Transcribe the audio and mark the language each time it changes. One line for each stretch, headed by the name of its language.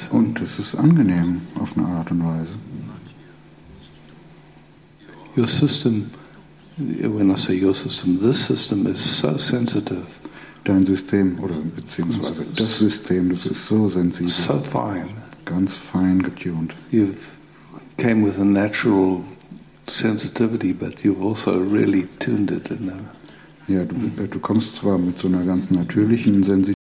German: Und es ist angenehm auf eine Art und Weise.
English: Your system, when I say your system, this system is so sensitive.
German: Dein System oder beziehungsweise das System, das ist so sensitiv.
English: So fine.
German: Ganz fein getuned.
English: You've came with a natural sensitivity, but you've also really tuned it in a.
German: Ja, du kommst zwar mit so einer ganz natürlichen Sensitivität.